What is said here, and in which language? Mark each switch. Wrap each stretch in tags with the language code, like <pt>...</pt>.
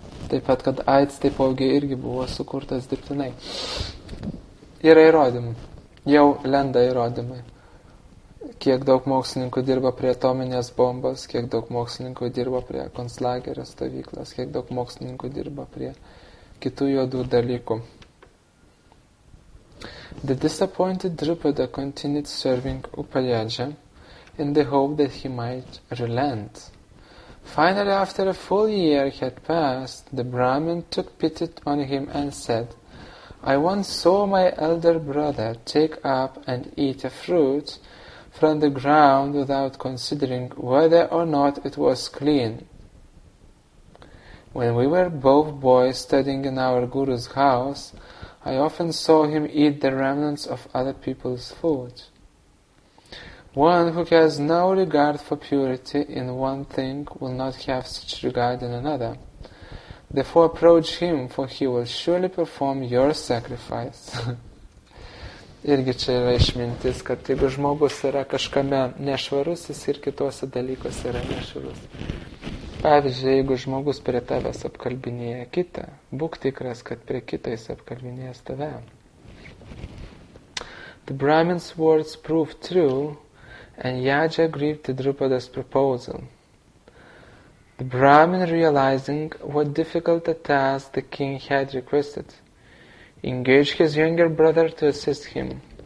<lt>Taip pat, kad AIDS taipogi irgi buvo sukurtas dirbtinai. Yra įrodymų. Jau lenda įrodymai. Kiek daug mokslininkų dirba prie atominės bombos, kiek daug mokslininkų dirba prie konclagerio stovyklos, kiek daug mokslininkų dirba prie kitų juodų dalykų.</lt> <en>The disappointed Drupada continued serving Upayaja in the hope that he might relent. Finally, after a full year had passed, the Brahmin took pity on him and said, I once saw my elder brother take up and eat a fruit from the ground without considering whether or not it was clean. When we were both boys studying in our guru's house, I often saw him eat the remnants of other people's food. One who has no regard for purity in one thing will not have such regard in another. Therefore approach him, for he will surely perform your sacrifice.</en> <lt>Irgi čia yra išmintis, kad jeigu žmogus yra kažkame nešvarus, jis ir kituose dalykuose yra nešvarus. Pavyzdžiui, jeigu žmogus prie tavęs apkalbinėja kitą, būk tikras, kad prie kito jis apkalbinėja tave.</lt> <en>The Brahmin's words proved true, and Yaja agreed to Drupada's proposal. The Brahmin, realizing what difficult a task the king had requested, engaged his younger brother to assist him.</en>